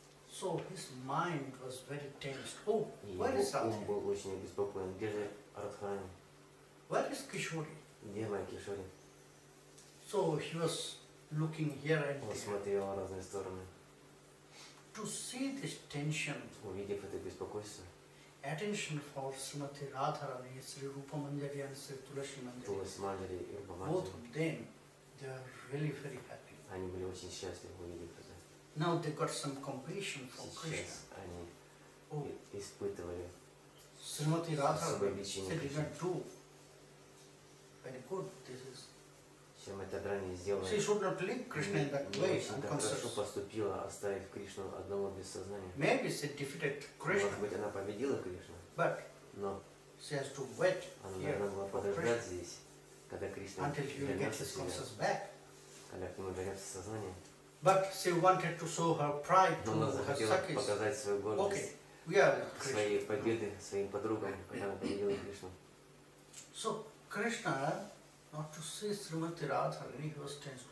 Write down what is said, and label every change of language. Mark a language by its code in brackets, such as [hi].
[en] So his mind was very tense. Oh, where is Radha? [ru] Ум был очень обеспокоен. Где же Радхарани? [en] Where is Kishori? [ru] Где моя Кишори? [en] So he was looking here and there. [ru] Он смотрел в разные стороны. [en] To see this tension, [ru] увидев это беспокойство, [en] attention for Srimati Radharani, Sri Rupa Manjari and Sri Tulasi Manjari, both of them, they are really very happy. [ru] Они были очень счастливы, увидев это. [en] Now they got some compassion for Krishna. [ru] Сейчас они испытывали [en] Srimati Radharani, they did not do very good. This is she should not leave Krishna in that way. [ru] Очень хорошо поступила, оставив Кришну одного без сознания. [en] Maybe she defeated Krishna. [ru] Может быть, она победила Кришну. [en] But no, she has to wait. [ru] Она должна была подождать здесь, когда Кришна [en] until he will get his consciousness back. [ru] Когда к нему вернется сознание. [en] But she wanted to show her pride. [ru] Но она захотела показать свою гордость. [en] Okay, we are Krishna. [ru] Свои победы своим подругам, когда она победила Кришну. [en] So Krishna, not to see Srimati Radharani, he was tense.